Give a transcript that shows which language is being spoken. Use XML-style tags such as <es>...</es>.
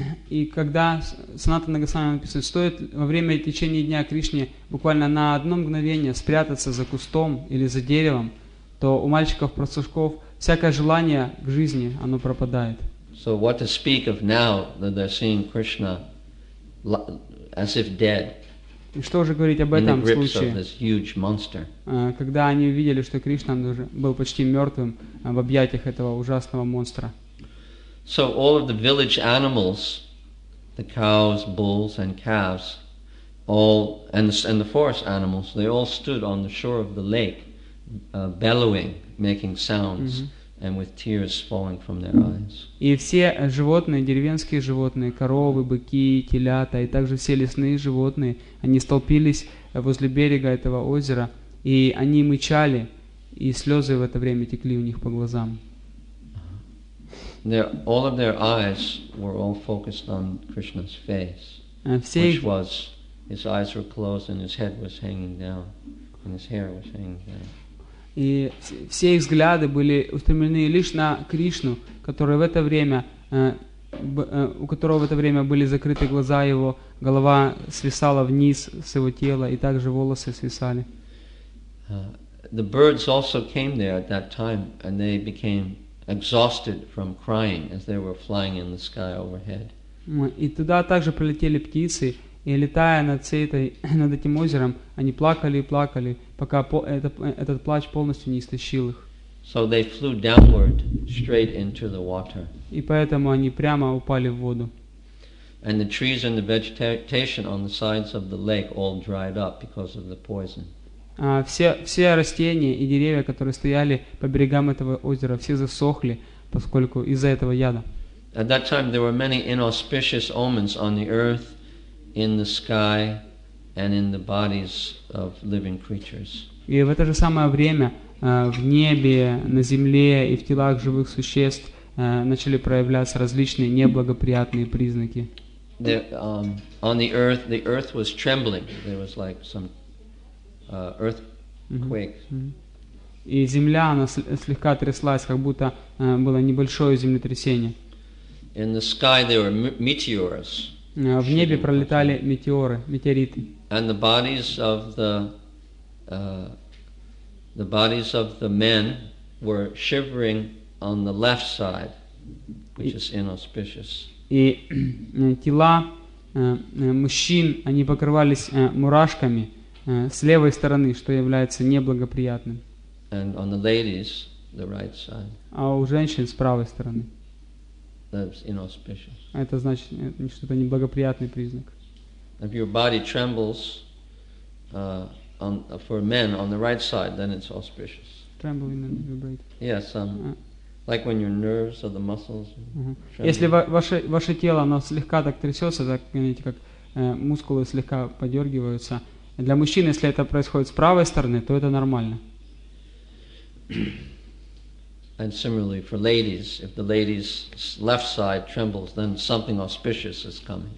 <ru>И когда Санатана Госвами написал, стоит во время течения дня Кришне буквально на одно мгновение спрятаться за кустом или за деревом, то у мальчиков-простушков всякое желание к жизни, оно пропадает.</ru> <en>So what to speak of now that they're seeing Krishna as if dead?</en> <ru>И что уже говорить об этом</ru> <en>in the grips</en> <ru>случае?</ru> <en>Of this huge monster.</en> <ru>Когда они увидели, что Кришна уже был почти мертвым в объятиях этого ужасного монстра.</ru> <en>So all of the village animals, the cows, bulls, and calves, all and the forest animals, they all stood on the shore of the lake, bellowing, making sounds. Mm-hmm. And with tears falling from their eyes.</en> <ru>И все животные, деревенские животные, коровы, быки, телята, и также все лесные животные, они столпились возле берега этого озера, и они мычали, и слезы в это время текли у них по глазам.</ru> <en>All of their eyes were all focused on Krishna's face, which was his eyes were closed and his head was hanging down and his hair was hanging down.</en> <ru>И все их взгляды были устремлены лишь на Кришну, который в это время, у которого в это время были закрыты глаза его, голова свисала вниз с его тела, и также волосы свисали.</ru> <en>The birds also came there at that time, and they became exhausted from crying as they were flying in the sky overhead.</en> <ru>И туда также прилетели птицы. И летая над этим озером, они плакали и плакали, пока этот плач полностью не истощил их.</ru> <en>So they flew downward, straight into the water.</en> <ru>И поэтому они прямо упали в воду.</ru> <en>And the trees and the vegetation on the sides of the lake all dried up because of the poison.</en> <ru>Все растения и деревья, которые стояли по берегам этого озера, все засохли, поскольку из-за этого яда.</ru> <en>At that time there were many inauspicious omens on the earth, in the sky and in the bodies of living creatures.</en> <ru>И в это же самое время в небе, на земле и в телах живых существ начали проявляться различные неблагоприятные признаки.</ru> <en>The, on the earth was trembling. There was like some earthquake. Mm-hmm.</en> <ru>И земля, она слегка тряслась, как будто было небольшое землетрясение.</ru> <en>In the sky there were meteors.</en> <ru>В небе пролетали метеоры, метеориты.</ru> <en>And the bodies of the bodies of the men were shivering on the left side, which is inauspicious.</en> <ru>И тела мужчин, они покрывались мурашками с левой стороны, что является неблагоприятным.</ru> <en>And on the ladies, the right side.</en> <ru>А у женщин с правой стороны.</ru> <en>That's inauspicious.</en> <ru>Это значит, что это неблагоприятный признак.</ru> <en>If your body trembles on, for men on the right side, then it's auspicious. Trembling and vibrate. Yes, like when your nerves or the muscles. Uh-huh.</en> <ru>Если ваше тело, оно слегка так трясется, так, знаете, как мускулы слегка подергиваются. Для мужчин, если это происходит с правой стороны, то это нормально.</ru> <en>And similarly for ladies, if the lady's left side trembles, then something auspicious is coming.</en>